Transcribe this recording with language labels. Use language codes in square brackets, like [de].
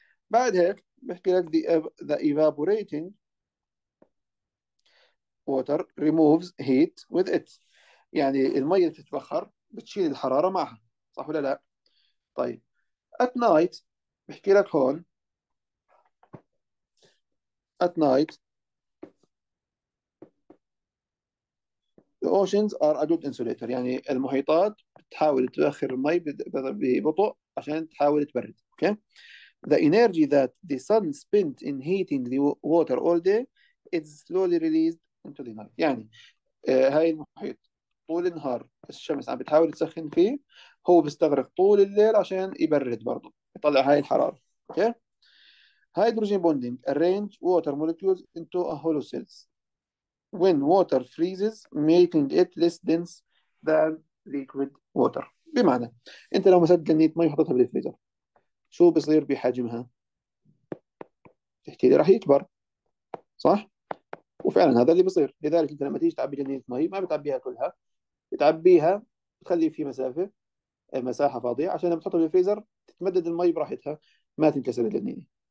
[ar] بعد هيك بحكي لك [en] the evaporating water removes heat with it، [ar] يعني المي اللي بتتبخر بتشيل الحرارة معها صح ولا لا؟ طيب [en] at night [ar] بحكي لك هون [en] at night the oceans are a good insulator، [ar] يعني المحيطات بتحاول تبخر المي ببطء عشان تحاول تبرد. [en] Okay The energy that the sun spent in heating the water all day is slowly released into the night. [ar] يعني هاي المحيط طول النهار الشمس عم بتحاول تسخن فيه، هو بيستغرق طول الليل عشان يبرد برضه يطلع هاي الحرارة. [en] Okay. Hydrogen bonding arrange water molecules into a hollow cells when water freezes making it less dense than liquid water. [ar] بمعنى انت لو مسكت جنيت مي وحطيتها بالفريزر شو بصير بحجمها؟ تحكي لي راح يكبر صح؟ وفعلا هذا اللي بصير، لذلك انت لما تيجي تعبي جنينه مي ما بتعبيها كلها، بتعبيها بتخلي في مسافه مساحه فاضيه عشان لما تحطها بالفريزر تتمدد المي براحتها ما تنكسر الجنينه.